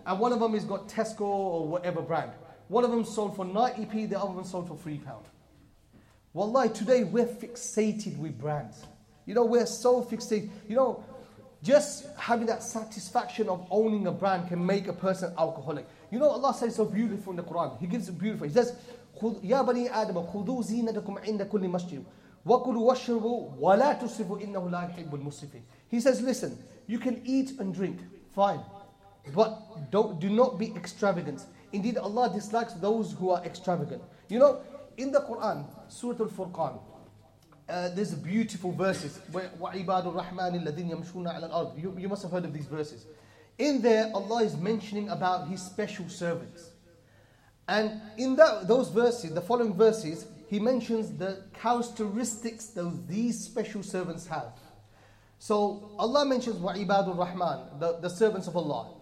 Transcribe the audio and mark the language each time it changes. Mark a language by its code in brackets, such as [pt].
[en] And one of them has got Tesco or whatever brand. One of them sold for 90p, the other one sold for £3. Wallahi, today we're fixated with brands. You know, we're so fixated. You know, just having that satisfaction of owning a brand can make a person alcoholic. You know, Allah says so beautiful in the Quran. He gives it beautiful. He says, [ar] يا بني آدم خذوا زينتكم عند كل مسجد وكلوا واشربوا ولا تسرفوا إنه لا يحب المسرفين. [en] He says, listen, you can eat and drink, fine, but do not be extravagant. Indeed, Allah dislikes those who are extravagant. You know, in the Quran, Surah Al-Furqan, there's beautiful verses. [ar] وعباد الرحمن الذين يمشون على الأرض. [en] You must have heard of these verses. In there, Allah is mentioning about His special servants. And in those verses, the following verses, He mentions the characteristics that these special servants have. So Allah mentions [ar] وعباد الرحمن, [en] the servants of Allah.